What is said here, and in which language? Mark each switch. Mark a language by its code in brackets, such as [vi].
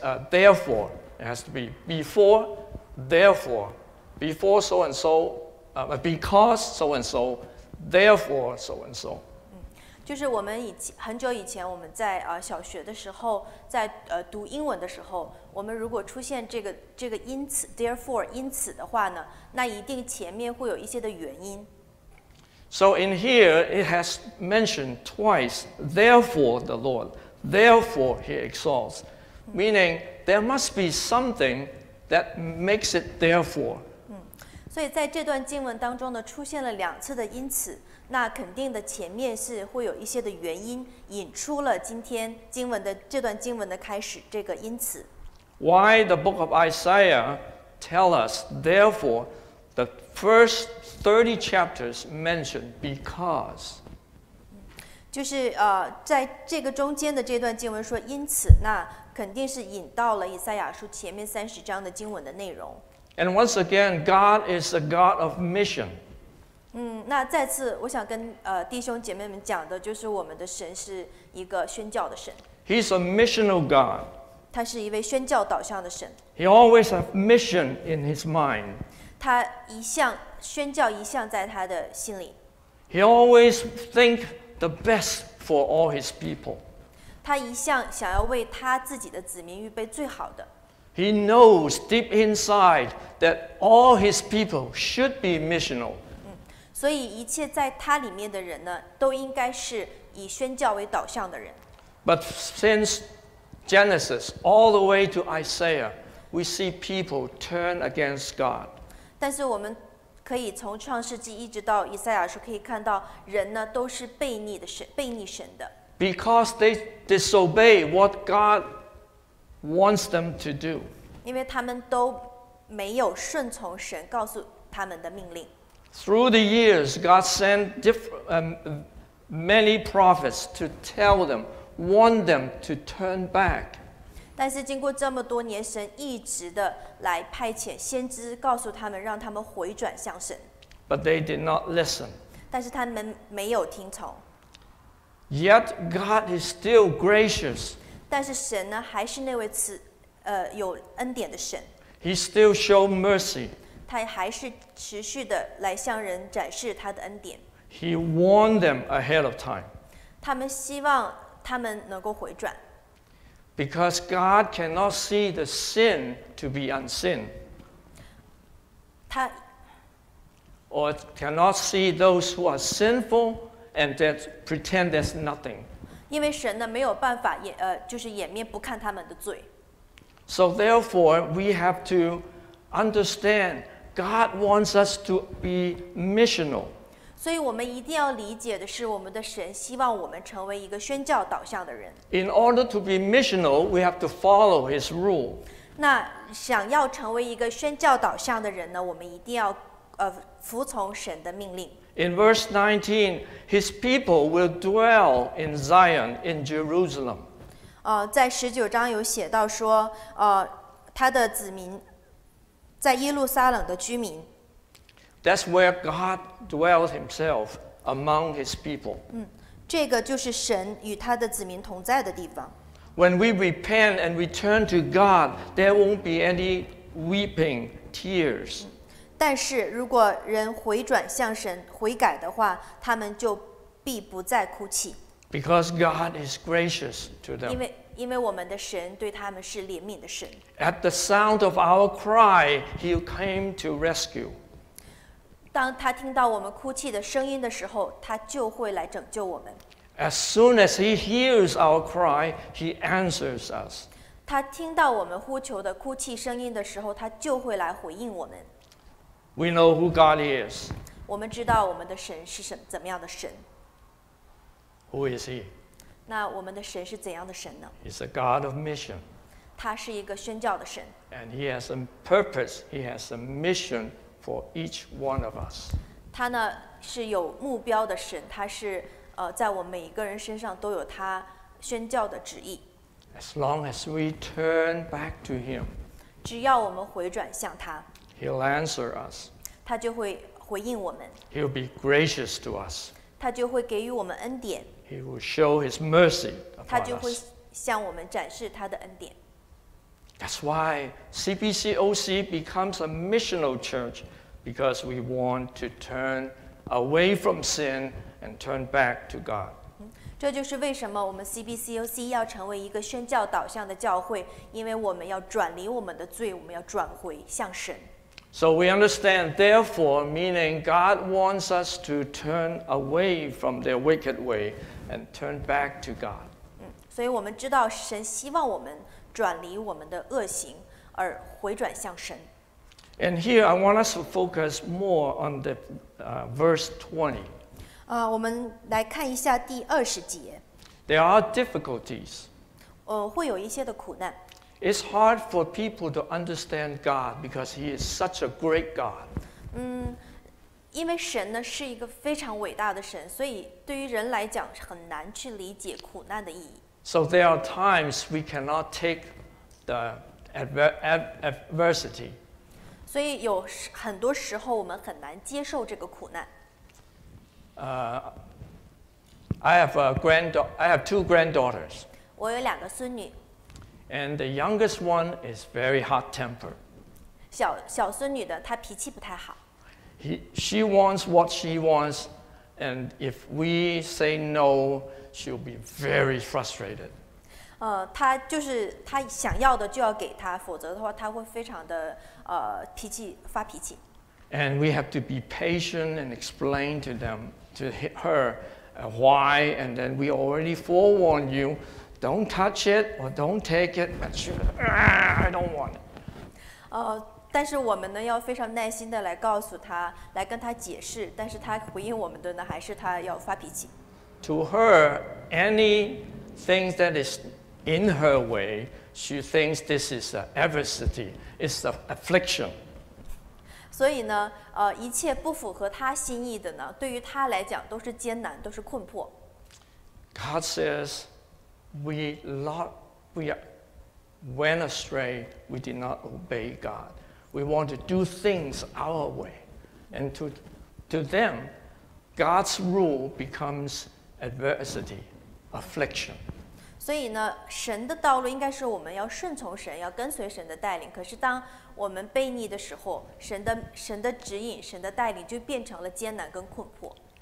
[en] Therefore. It has to be before, therefore. Before so and so, because so and so, therefore so and so. [zh] 就是我们很久以前我们在小学的时候在读英文的时候，我们如果出现这个因此 therefore 因此的话呢，那一定前面会有一些的原因。 [en] So in here it has mentioned twice therefore the Lord therefore he exalts, meaning there must be something that makes it therefore. [zh] 所以在这段经文当中呢，出现了两次的因此，那肯定的前面是会有一些的原因引出了今天经文的这段经文的开始这个因此。 [en] Why the book of Isaiah tell us therefore the first 30 chapters mention because? [zh] 就是在这个中间的这段经文说因此，那肯定是引到了以赛亚书前面三十章的经文的内容。 [en] And once again, God is a God of mission. [zh] 那再次我想跟弟兄姐妹们讲的就是我们的神是一个宣教的神。 [en] He's a missional God. [zh] 他是一位宣教导向的神。 [en] He always has mission in his mind. [zh] 他一向宣教一向在他的心里。 [en] He always think the best for all his people. [zh] 他一向想要为他自己的子民预备最好的。 [en] He knows deep inside that all his people should be missional. [zh] 所以一切在他里面的人呢，都应该是以宣教为导向的人。 [en] But since Genesis all the way to Isaiah, we see people turn against God. [zh] 但是我们可以从创世纪一直到以赛亚书可以看到，人呢都是背逆神的。 [en] Because they disobey what God wants them to do. [zh] 因为他们都没有顺从神告诉他们的命令。 [en] Through the years, God sent many prophets to tell them, warn them to turn back. [zh] 但是经过这么多年，神一直的来派遣先知告诉他们，让他们回转向神。 [en] But they did not listen. [zh] 但是他们没有听从。 [en] Yet God is still gracious. [zh] 但是神呢，还是那位慈，有恩典的神。 [en] He still show mercy. [zh] 他还是持续的来向人展示他的恩典。 [en] He warned them ahead of time. [zh] 他们希望他们能够回转。 [en] Because God cannot see the sin to be unseen. Or cannot see those who are sinful and that pretend there's nothing. [zh] 因为神呢没有办法就是掩面不看他们的罪。 [en] So therefore, we have to understand God wants us to be missional. [zh] 所以我们一定要理解的是，我们的神希望我们成为一个宣教导向的人。 [en] In order to be missional, we have to follow His rule. [zh] 那想要成为一个宣教导向的人呢，我们一定要服从神的命令。 [en] In verse 19, His people will dwell in Zion, in Jerusalem. [zh] 在十九章有写到说，他的子民在耶路撒冷的居民。 [en] That's where God dwells Himself among His people. [zh] 这个就是神与他的子民同在的地方。 [en] When we repent and return to God, there won't be any weeping, tears. [zh] 但是如果人回转向神悔改的话，他们就必不再哭泣。 [en] Because God is gracious to them. [zh] 因为我们的神对他们是怜悯的神。 [en] At the sound of our cry, He came to rescue. [zh] 当他听到我们哭泣的声音的时候，他就会来拯救我们。 [en] As soon as He hears our cry, He answers us. [zh] 他听到我们呼求的哭泣声音的时候，他就会来回应我们。 [en] We know who God is. [zh] 我们知道我们的神是什么怎么样的神。 [en] Who is He? [zh] 那我们的神是怎样的神呢？ [en] He's a God of mission. [zh] 他是一个宣教的神。 [en] And He has a purpose. He has a mission for each one of us. [zh] 他呢是有目标的神，他是在我们每一个人身上都有他宣教的旨意。 [en] As long as we turn back to Him, [zh] 只要我们回转向他。 [en] He'll answer us. [zh] 他就会回应我们。 [en] He'll be gracious to us. [zh] 他就会给予我们恩典。 [en] He will show His mercy upon us. [zh] 他就会向我们展示他的恩典。 [en] That's why CBCOC becomes a missional church, because we want to turn away from sin and turn back to God. [zh] 这就是为什么我们 CBCOC 要成为一个宣教导向的教会，因为我们要转离我们的罪，我们要转回向神。 [en] So we understand, therefore, meaning God wants us to turn away from their wicked way and turn back to God. [zh] 所以我们知道神希望我们转离我们的恶行而回转向神。 [en] And here I want us to focus more on the verse 20. [zh] 我们来看一下第二十节。 [en] There are difficulties. [zh] 会有一些的苦难。 [en] It's hard for people to understand God because He is such a great God. [zh] 因为神呢是一个非常伟大的神，所以对于人来讲很难去理解苦难的意义。 [en] So there are times we cannot take the adversity. [zh] 所以有很多时候我们很难接受这个苦难。 [en] I have two granddaughters. [zh] 我有两个孙女。 [en] And the youngest one is very hot-tempered. [zh] 小孙女的她脾气不太好。 [en] She wants what she wants, and if we say no, she'll be very frustrated. [zh] 她就是她想要的就要给她，否则的话她会非常的脾气发脾气。 [en] And we have to be patient and explain to them, to her, why, and then we already forewarn you. Don't touch it or don't take it. But I don't want it. [zh] 但是我们呢要非常耐心的来告诉他，来跟他解释。但是他回应我们的呢，还是他要发脾气。 [en] To her, any things that is in her way, she thinks this is an adversity, it's an affliction. [zh] 所以呢，一切不符合他心意的呢，对于他来讲都是艰难，都是困迫。 [en] God says. We went astray. We did not obey God. We want to do things our way, and to them, God's rule becomes adversity, affliction. [zh] 所以呢，神的道路应该是我们要顺从神，要跟随神的带领。可是当我们悖逆的时候，神的指引、神的带领就变成了艰难跟困迫。